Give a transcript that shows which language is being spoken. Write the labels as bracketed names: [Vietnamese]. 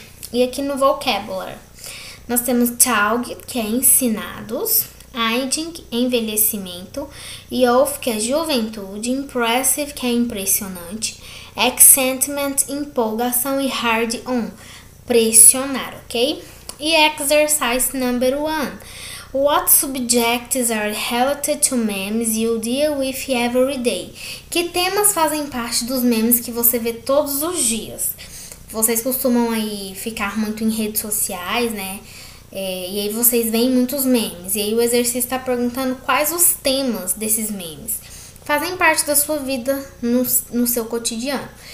[Portuguese] E aqui no vocabulary, nós temos tag, que é ensinados, aging, envelhecimento, youth, que é juventude, impressive, que é impressionante, excitement, empolgação e hard on, pressionar, ok? [English] E exercise number one. What subjects are related to memes you deal with every day? [Portuguese] Que temas fazem parte dos memes que você vê todos os dias? Vocês costumam aí ficar muito em redes sociais, né? E aí vocês veem muitos memes. E aí o exercício está perguntando quais os temas desses memes fazem parte da sua vida no seu cotidiano.